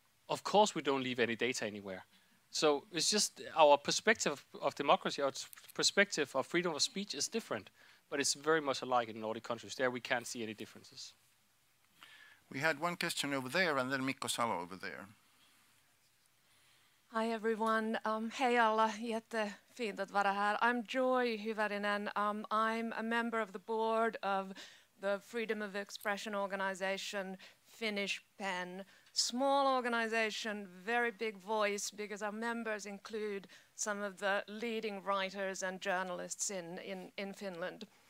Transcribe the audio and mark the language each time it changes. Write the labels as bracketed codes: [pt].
[en] Of course we don't leave any data anywhere. So it's just our perspective of democracy, our perspective of freedom of speech is different, but it's very much alike in Nordic countries. There we can't see any differences. We had one question over there and then Mikko Salo over there. Hi everyone. [sv] Hei alla, jättefint att vara här. [en] I'm Joy Hyvärinen. I'm a member of the board of the Freedom of Expression organization, Finnish PEN. Small organization, very big voice, because our members include some of the leading writers and journalists in Finland.